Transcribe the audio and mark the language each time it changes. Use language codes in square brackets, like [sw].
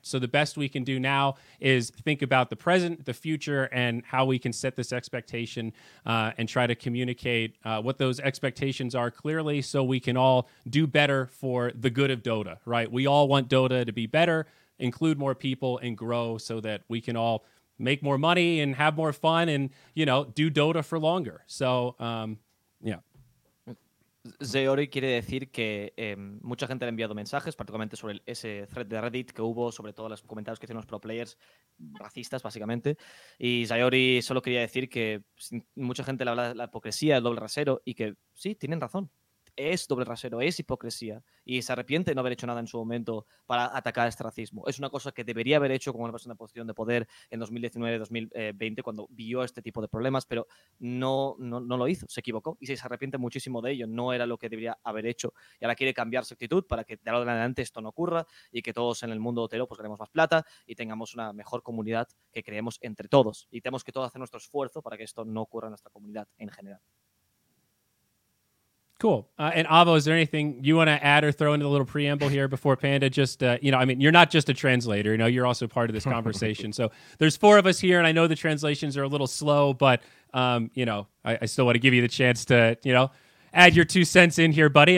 [en] So the best we can do now is think about the present, the future, and how we can set this expectation and try to communicate what those expectations are clearly so we can all do better for the good of Dota, right? We all want Dota to be better, include more people, and grow so that we can all make more money and have more fun and, you know, do Dota for longer. So, yeah. [es] Zeori quiere decir que mucha gente le ha enviado mensajes, particularmente sobre ese thread de Reddit que hubo, sobre todo los comentarios que hicieron los pro players racistas, básicamente. Y Zeori solo quería decir que mucha gente le habla de la hipocresía, el doble rasero, y que sí, tienen razón. Es doble rasero, es hipocresía. Y se arrepiente de no haber hecho nada en su momento para atacar este racismo. Es una cosa que debería haber hecho como una persona en posición de poder en 2019-2020 cuando vio este tipo de problemas, pero no lo hizo, se equivocó. Y se arrepiente muchísimo de ello, no era lo que debería haber hecho. Y ahora quiere cambiar su actitud para que de ahora en adelante esto no ocurra y que todos en el mundo dotero pues ganemos más plata y tengamos una mejor comunidad que creemos entre todos. Y tenemos que todos hacer nuestro esfuerzo para que esto no ocurra en nuestra comunidad en general. [en] Cool. And Avo, is there anything you want to add or throw into the little preamble here before Panda? Just, you know, I mean, you're not just a translator, you know, you're also part of this conversation. So there's four of us here, and I know the translations are a little slow, but, you know, I still want to give you the chance to, you know, add your two cents in here, buddy.